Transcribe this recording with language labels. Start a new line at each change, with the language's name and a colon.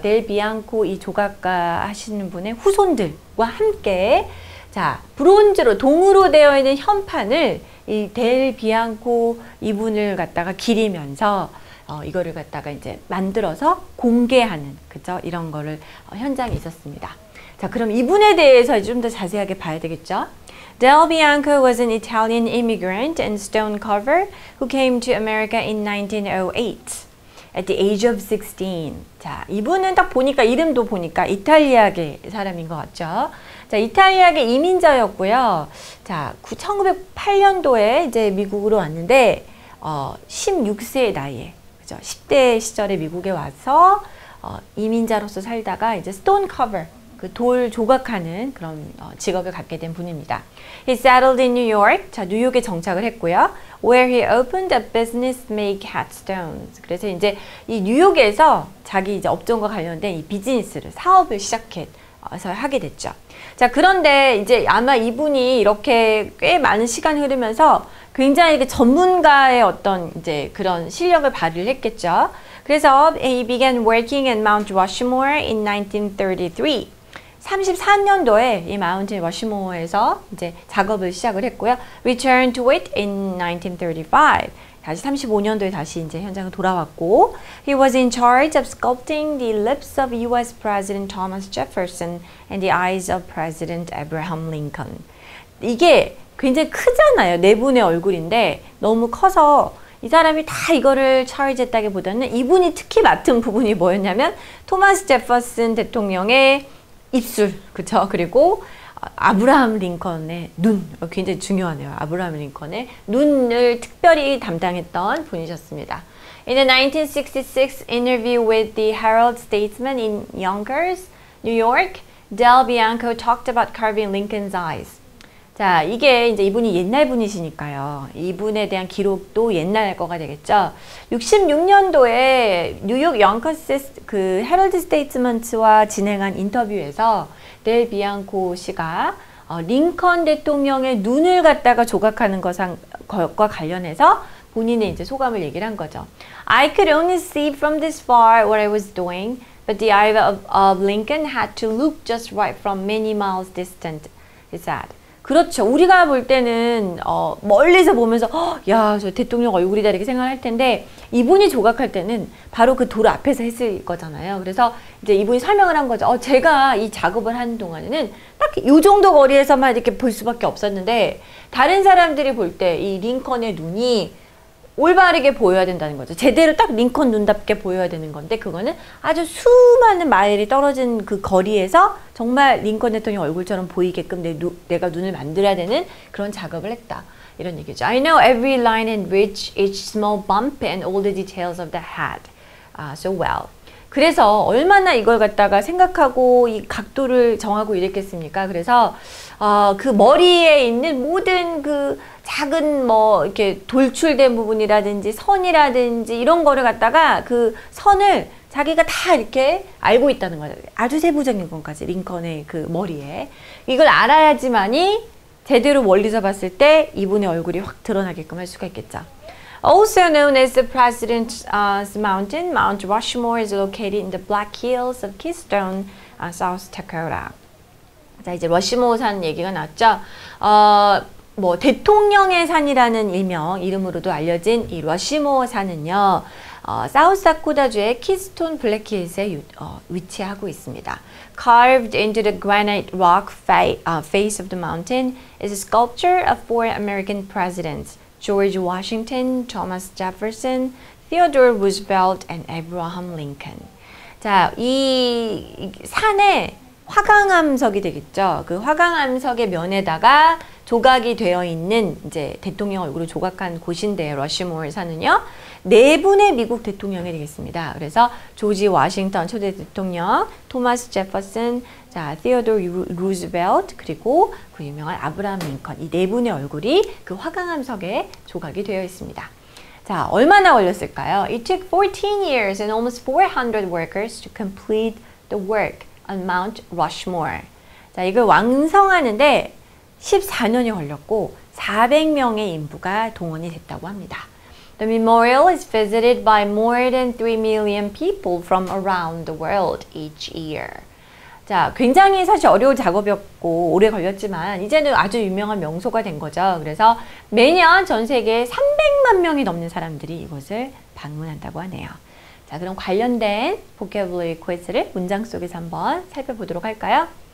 Korean: 델 비앙코 이 조각가 하시는 분의 후손들과 함께 자, 브론즈로, 동으로 되어 있는 현판을 이델 비앙코 이분을 갖다가 기리면서 이거를 갖다가 이제 만들어서 공개하는, 그죠? 이런 거를 현장에 있었습니다. 자, 그럼 이분에 대해서 좀더 자세하게 봐야 되겠죠?
English: Del Bianco was an Italian immigrant and stone carver who came to America in 1908 at the age of 16.
Korean: 자, 이분은 딱 보니까, 이름도 보니까 이탈리아계 사람인 것 같죠? 자, 이탈리아계 이민자였고요. 자, 1908년도에 이제 미국으로 왔는데, 16세의 나이에, 그죠? 10대 시절에 미국에 와서, 이민자로서 살다가 이제 stone carver, 그돌 조각하는 그런 직업을 갖게 된 분입니다.
English: He settled in New York.
Korean: 자, 뉴욕에 정착을 했고요.
English: Where he opened a business make hat stones.
Korean: 그래서 이제 이 뉴욕에서 자기 이제 업종과 관련된 이 비즈니스를 사업을 시작해서 하게 됐죠. 자, 그런데 이제 아마 이분이 이렇게 꽤 많은 시간 흐르면서 굉장히 그 전문가의 어떤 이제 그런 실력을 발휘를 했겠죠. 그래서
English: he began working at Mount Rushmore in 1933.
Korean: 33년도에 이 마운틴 러시모어에서 이제 작업을 시작을 했고요.
English: Returned to it in 1935.
Korean: 다시 35년도에 다시 이제 현장을 돌아왔고.
English: He was in charge of sculpting the lips of US President Thomas Jefferson and the eyes of President Abraham Lincoln.
Korean: 이게 굉장히 크잖아요. 네 분의 얼굴인데 너무 커서 이 사람이 다 이거를 charge했다기보다는 이분이 특히 맡은 부분이 뭐였냐면 토마스 제퍼슨 대통령의 입술, 그쵸? 그리고 아브라함 링컨의 눈, 굉장히 중요하네요. 아브라함 링컨의 눈을 특별히 담당했던 분이셨습니다.
English: In a 1966 interview with the Herald Statesman in Yonkers, New York, Del Bianco talked about carving Lincoln's eyes.
Korean: 자, 이게 이제 이분이 옛날 분이시니까요. 이분에 대한 기록도 옛날 거가 되겠죠. 66년도에 뉴욕 영커스 그 헤럴드 스테이트먼츠와 진행한 인터뷰에서 델 비앙코 씨가 링컨 대통령의 눈을 갖다가 조각하는 것과 관련해서 본인의 이제 소감을 얘기를 한 거죠.
English: I could only see from this far what I was doing, but the eye of Lincoln had to look just right from many miles distant, he said.
Korean: 그렇죠. 우리가 볼 때는 멀리서 보면서 야, 저 대통령 얼굴이다 이렇게 생각할 텐데 이분이 조각할 때는 바로 그돌 앞에서 했을 거잖아요. 그래서 이제 이분이 설명을 한 거죠. 제가 이 작업을 한 동안에는 딱이 정도 거리에서만 이렇게 볼 수밖에 없었는데 다른 사람들이 볼때이 링컨의 눈이 올바르게 보여야 된다는 거죠. 제대로 딱 링컨 눈답게 보여야 되는 건데 그거는 아주 수많은 마일이 떨어진 그 거리에서 정말 링컨 대통령 얼굴처럼 보이게끔 내가 눈을 만들어야 되는 그런 작업을 했다. 이런 얘기죠.
English: I know every line and ridge, each small bump and all the details of the hat so well.
Korean: 그래서 얼마나 이걸 갖다가 생각하고 이 각도를 정하고 이랬겠습니까? 그래서 그 머리에 있는 모든 그 작은 뭐 이렇게 돌출된 부분이라든지 선이라든지 이런 거를 갖다가 그 선을 자기가 다 이렇게 알고 있다는 거죠. 아주 세부적인 것까지 링컨의 그 머리에 이걸 알아야지만이 제대로 멀리서 봤을 때 이분의 얼굴이 확 드러나게끔 할 수가 있겠죠.
English: Also known as the President's Mountain, Mount Rushmore is located in the Black Hills of Keystone, South Dakota.
Korean: 자, 이제 러시모어 산 얘기가 나왔죠. 뭐 대통령의 산이라는 일명 이름으로도 알려진 이 러시모어 산은요. 사우스 다코타주의 키스톤 블랙힐스에 위치하고 있습니다.
English: Carved into the granite rock face of the mountain is a sculpture of four American presidents: George Washington, Thomas Jefferson, Theodore Roosevelt, and Abraham Lincoln.
Korean: 자, 이 산에 화강암석이 되겠죠. 그 화강암석의 면에다가 조각이 되어 있는 이제 대통령 얼굴을 조각한 곳인데 러시모어 산은요. 네 분의 미국 대통령이 되겠습니다. 그래서 조지 워싱턴 초대 대통령, 토마스 제퍼슨, 자, 티어도 루즈벨트 그리고 그 유명한 아브라함 링컨 이 네 분의 얼굴이 그 화강암석에 조각이 되어 있습니다. 자, 얼마나 걸렸을까요?
English: It took 14 years and almost 400 workers to complete the work on Mount Rushmore.
Korean: 자, 이걸 완성하는데 14년이 걸렸고 400명의 인부가 동원이 됐다고 합니다.
English: The memorial is visited by more than 3 million people from around the world each year.
Korean: 자, 굉장히 사실 어려운 작업이었고 오래 걸렸지만 이제는 아주 유명한 명소가 된 거죠. 그래서 매년 전 세계 300만 명이 넘는 사람들이 이곳을 방문한다고 하네요. 자, 그럼 관련된 vocabulary quiz를 문장 속에서 한번 살펴보도록 할까요?